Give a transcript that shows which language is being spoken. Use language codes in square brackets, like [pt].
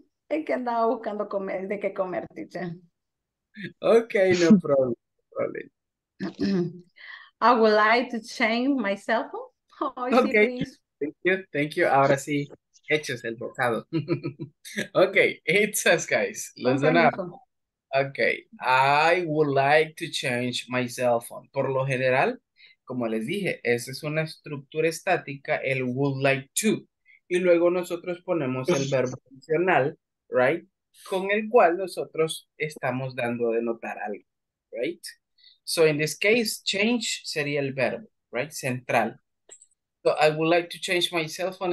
[es] Es que andaba buscando comer, de qué comer, teacher. [en] Okay, no problem. I would like to change my cell phone. Oh, okay, thank you. [es] Ahora sí, echas el bocado. [en] Okay, it says, guys, listen up. Okay, I would like to change my cell phone. [es] Por lo general, como les dije, esa es una estructura estática, el would like to. Y luego nosotros ponemos el verbo funcional, right? Con el cual nosotros estamos dando a denotar algo, right? [en] So in this case, change [es] sería el verbo, [en] right? Central. So I would like to change my cell phone.